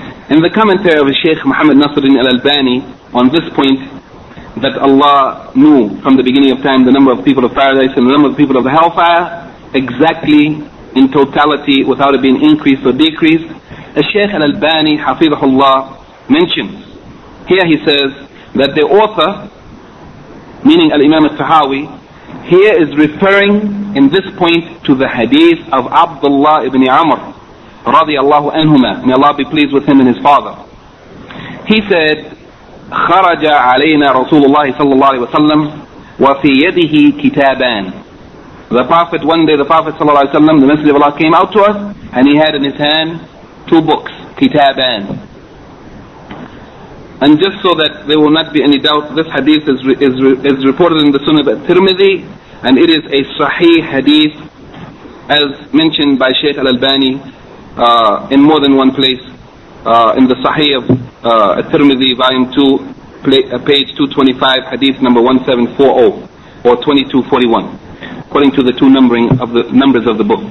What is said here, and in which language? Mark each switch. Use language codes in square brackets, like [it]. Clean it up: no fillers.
[en] In the commentary of Shaykh Muhammad Nasruddin al-Albani on this point, that Allah knew from the beginning of time the number of people of paradise and the number of people of the hellfire, exactly in totality without it being increased or decreased, Shaykh al-Albani, hafidhahullah, mentions. Here he says that the author, meaning al-Imam al-Tahawi, here is referring in this point to the hadith of Abdullah ibn Amr [ar] رضي الله عنهما, [en] may Allah be pleased with him and his father. He said, [ar] خرج علينا رسول الله صلى الله عليه وسلم وفي يده كتابان. [en] The Prophet, one day the Prophet [ar] صلى الله عليه وسلم, [en] the Messenger of Allah, came out to us and he had in his hand two books, كتابان. And just so that there will not be any doubt, this hadith is reported in the Sunan al-Tirmidhi, and it is a sahih hadith, as mentioned by Shaykh al-Albani in more than one place, in the sahih of al-Tirmidhi, volume 2, page 225, hadith number 1740, or 2241, according to the two numbering of the numbers of the book.